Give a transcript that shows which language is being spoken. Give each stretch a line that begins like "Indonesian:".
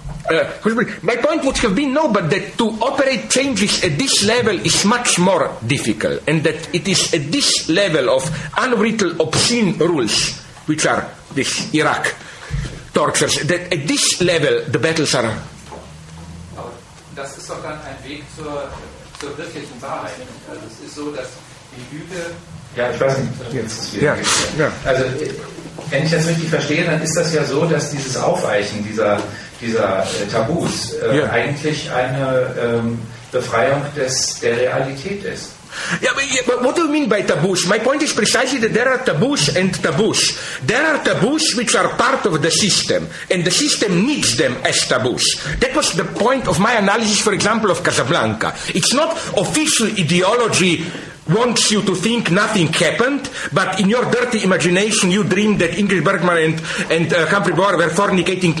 English: My point would have been, no, but that to operate changes at this level is much more difficult, and that it is at this level of unwritten obscene rules, which are this Iraq tortures, that at this level the battles are...
German: Das ist doch dann ein Weg zur wirklichen Wahrheit. Also es ist so, dass die Lüge... Ja, ich weiß nicht, jetzt ist es wieder... Ja. Ja. Also wenn ich das richtig verstehe, dann ist das ja so, dass dieses Aufweichen dieser Tabus ja. eigentlich eine Befreiung der Realität ist.
English: Yeah, but what do you mean by taboos? My point is precisely that there are taboos and taboos. There are taboos which are part of the system, and the system needs them as taboos. That was the point of my analysis, for example, of Casablanca. It's not official ideology wants you to think nothing happened, but in your dirty imagination you dream that Ingrid Bergman and Humphrey Bogart were fornicating.